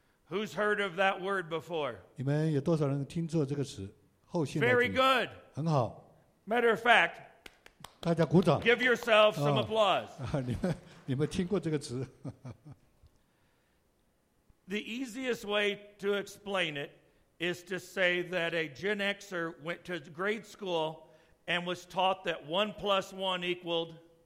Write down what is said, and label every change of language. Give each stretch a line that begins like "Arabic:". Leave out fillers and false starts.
English: Who's heard of that word before?
Chinese: 你们有多少人听说这个词？后现代主义。
English: Very good.
Chinese: 很好。
English: Matter of fact,
Chinese: 大家鼓掌。
English: Give yourself some applause.
Chinese: 你们听过这个词？
English: The easiest way to explain it is to say that a Gen Xer went to grade school and was taught that 1+1 equaled.